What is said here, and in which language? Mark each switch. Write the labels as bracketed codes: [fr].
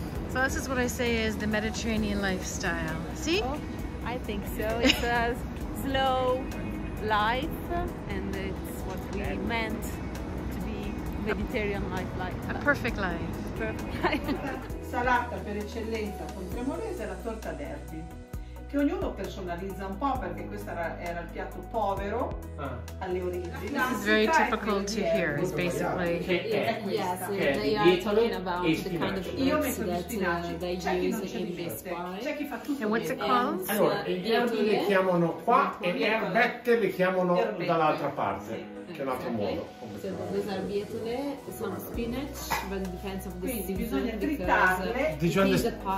[en] So this is what I say is the Mediterranean lifestyle. See? Oh, I think so. It's a slow life, and it's what we meant to be Mediterranean life like. A perfect life. [it] Salata per eccellenza pontremolese è la torta d'erbi, che ognuno personalizza un po' perché questo era il piatto povero alle origini. [en] This is very typical to hear, is basically. Yes, they are talking about the kind of herbs that they use in this pie. And what's it called? [it] Allora, gli erbi le chiamano qua e le erbette le chiamano dall'altra parte. [en] Okay. So these are bietole, some spinach, but it depends on the season.